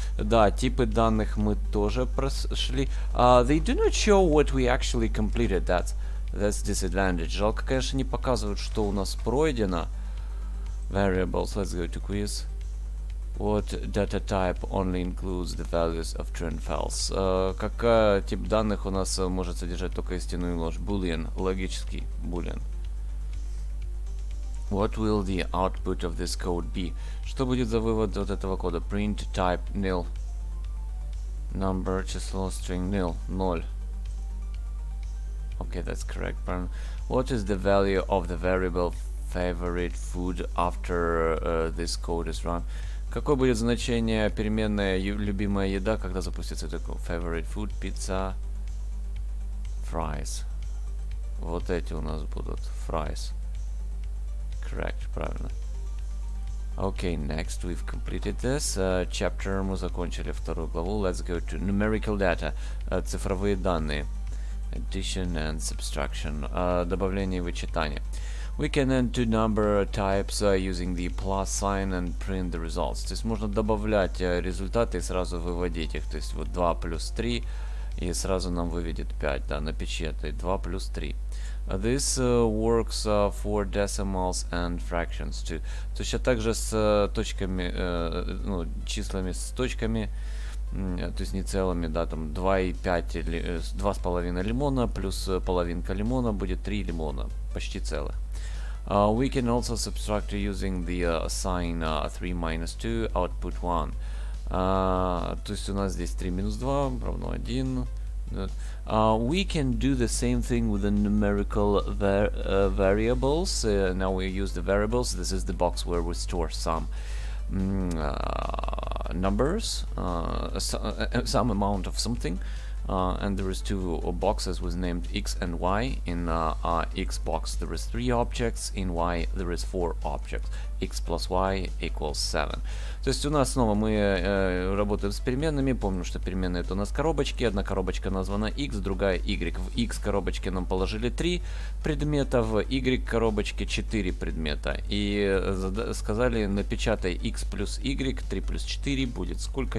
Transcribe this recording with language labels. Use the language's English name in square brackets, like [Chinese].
[Russian] Да, типы данных мы тоже прошли. [English] They do not show what we actually completed. That's disadvantage. [Russian] Жалко, конечно, не показывают, что у нас пройдено. [English] Variables. Let's go to quiz. What data type only includes the values of true and false? [Russian] Какой тип данных у нас может содержать только истину и ложь? [English] Boolean. [Russian] Логический. [English] Boolean. What will the output of this code be? [Russian] Что будет за вывод от этого кода? [English] Print type nil. Number, [Russian] число, [English] string nil. [Russian] Ноль. [English] Okay, that's correct. What is the value of the variable favorite food after this code is run? [Russian] Какое будет значение переменная любимая еда, когда запустится такое? [English] Favorite food, pizza, fries. [Russian] Вот эти у нас будут. [English] Fries. Correct, [Russian] правильно. [English] Okay, next we've completed this. Chapter [Russian] мы закончили вторую главу. [English] Let's go to numerical data. [Russian] Цифровые данные. [English] Addition and subtraction. [Russian] Добавление и вычитание. [English] We can add two number types using the plus sign and print the results. [Russian] То есть можно добавлять результаты и сразу выводить их. То есть вот 2 плюс 3 и сразу нам выведет 5. Да, напечатай 2 плюс 3. [English] This works for decimals and fractions too. [Russian] То есть также с точками, ну, числами с точками. То есть не целыми, да, там 2,5 лимона плюс половинка лимона будет 3 лимона, почти целых. [English] We can also subtract using the sign 3 minus 2, output 1. То есть у нас здесь 3 минус 2 равно 1. We can do the same thing with the numerical variables. Now we use the variables. This is the box where we store some numbers, some amount of something. And there is two boxes with named X and Y. In X box there is 3 objects, in Y there is 4 objects. X plus Y equals 7. [Russian] То есть у нас снова мы работаем с переменными. Помним, что переменные это у нас коробочки. Одна коробочка названа X, другая Y. В X коробочке нам положили 3 предмета, в Y коробочке 4 предмета. И сказали, напечатай X плюс Y, 3 плюс 4 будет сколько?